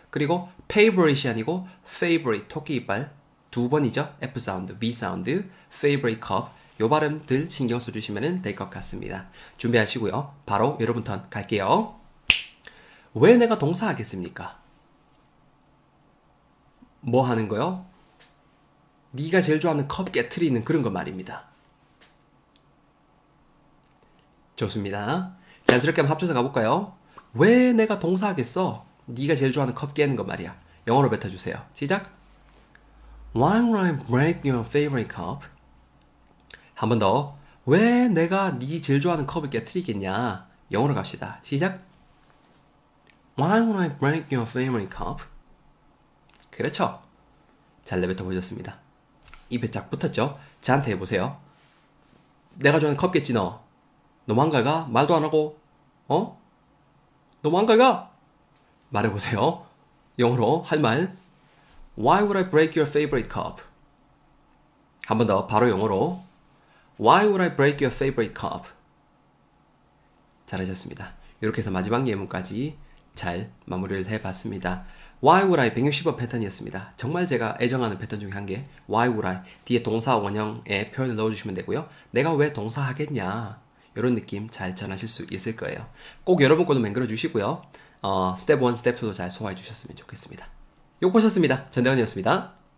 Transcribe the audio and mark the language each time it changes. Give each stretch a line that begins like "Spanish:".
Korean: 그리고 favorite이 아니고 favorite, 토끼 이빨. 두 번이죠. F 사운드, V 사운드,
English: favorite cup.
Korean: 요 발음들 신경 써주시면 될것 같습니다. 준비하시고요. 바로 여러분 턴 갈게요. 왜 내가 동사하겠습니까? 뭐 하는 거요? 네가 제일 좋아하는 컵 깨트리는 그런 거 말입니다. 좋습니다. 자연스럽게 한번 합쳐서 가볼까요? 왜 내가 동사하겠어? 네가 제일 좋아하는 컵 깨는 거 말이야. 영어로 뱉어주세요. 시작.
English: Why would I break your favorite cup?
Korean: 한번 더. 왜 내가 네 제일 좋아하는 컵을 깨트리겠냐? 영어로 갑시다. 시작.
English: Why would I break your favorite cup?
Korean: 그렇죠. 잘 내뱉어 보셨습니다. 입에 쫙 붙었죠? 저한테 해보세요. 내가 좋아하는 컵 깼지, 너? 너만가 가? 말도 안 하고, 어? 너만가 가? 말해보세요. 영어로 할 말.
English: Why would I break your favorite cup?
Korean: 한번 더, 바로 영어로.
English: Why would I break your favorite cup?
Korean: 잘하셨습니다. 이렇게 해서 마지막 예문까지 잘 마무리를 해봤습니다.
English: Why would I?
Korean: 160번 패턴이었습니다. 정말 제가 애정하는 패턴 중에 한 개.
English: Why would I?
Korean: 뒤에 동사 원형에 표현을 넣어주시면 되고요. 내가 왜 동사하겠냐? 이런 느낌 잘 전하실 수 있을 거예요. 꼭 여러분 것도 맹글어 주시고요. 스텝 1, 스텝 2도 잘 소화해 주셨으면 좋겠습니다. 욕 보셨습니다. 전대원이었습니다.